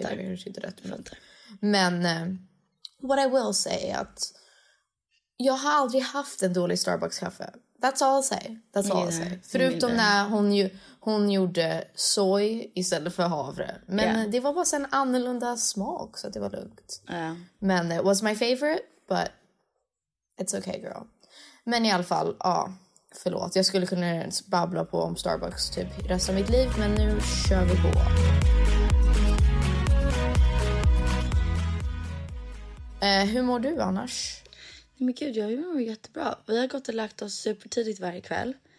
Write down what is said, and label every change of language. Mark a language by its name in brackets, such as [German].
[Swedish] Okay, det är inte rätt. Fattar. [English] Men what I will say [Swedish] är att jag har aldrig haft en dålig Starbucks-kaffe. [English] That's all I'll say. That's all I'll say. [Swedish] Förutom när hon gjorde soy istället för havre. Men det var bara en annorlunda smak, så att det var lugnt. [English] Men it was my favorite, but it's okay, girl. [Swedish] Men i alla fall, förlåt. Jag skulle kunna babbla på om Starbucks typ resten av mitt liv, men nu kör vi på. Hur mår du annars? Nej men gud, jag mår jättebra. Vi har gått och lagt oss supertidigt varje kväll.